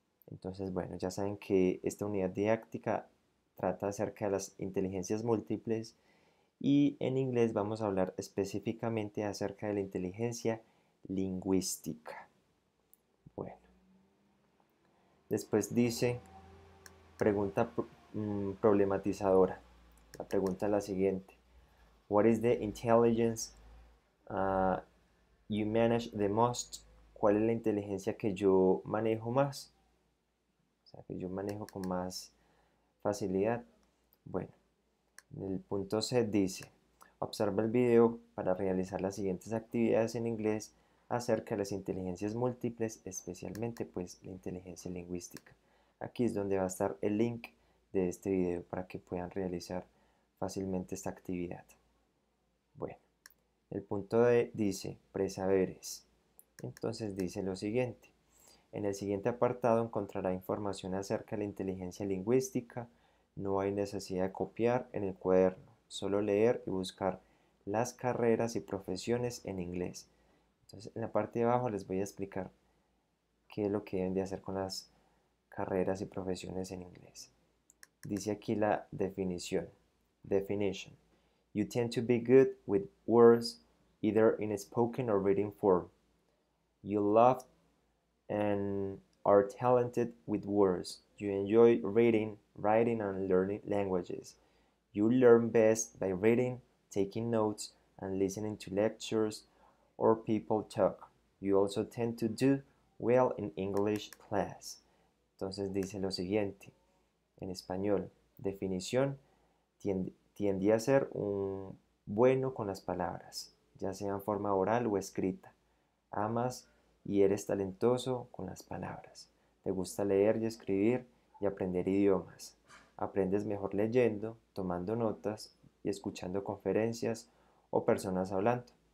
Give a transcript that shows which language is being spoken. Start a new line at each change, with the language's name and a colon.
Spanish: Entonces, bueno, ya saben que esta unidad didáctica trata acerca de las inteligencias múltiples y en inglés vamos a hablar específicamente acerca de la inteligencia lingüística. Bueno, después dice pregunta problematizadora. La pregunta es la siguiente.
English: What is the intelligence you manage the most?
Spanish: ¿Cuál es la inteligencia que yo manejo más? O sea, que yo manejo con más facilidad. Bueno, en el punto C dice, observa el video para realizar las siguientes actividades en inglés acerca de las inteligencias múltiples, especialmente pues la inteligencia lingüística. Aquí es donde va a estar el link de este video para que puedan realizar fácilmente esta actividad. Bueno, el punto D dice presaberes. Entonces dice lo siguiente. En el siguiente apartado encontrará información acerca de la inteligencia lingüística. No hay necesidad de copiar en el cuaderno. Solo leer y buscar las carreras y profesiones en inglés. Entonces en la parte de abajo les voy a explicar qué es lo que deben de hacer con las carreras y profesiones en inglés. Dice aquí la definición.
English: Definition. You tend to be good with words, either in a spoken or written form. You love and are talented with words. You enjoy reading, writing, and learning languages. You learn best by reading, taking notes, and listening to lectures or people talk. You also tend to do well in English class.
Spanish: Entonces dice lo siguiente en español. Definición. Tiende a ser un bueno con las palabras, ya sea en forma oral o escrita. Amas y eres talentoso con las palabras. Te gusta leer y escribir y aprender idiomas. Aprendes mejor leyendo, tomando notas y escuchando conferencias o personas hablando.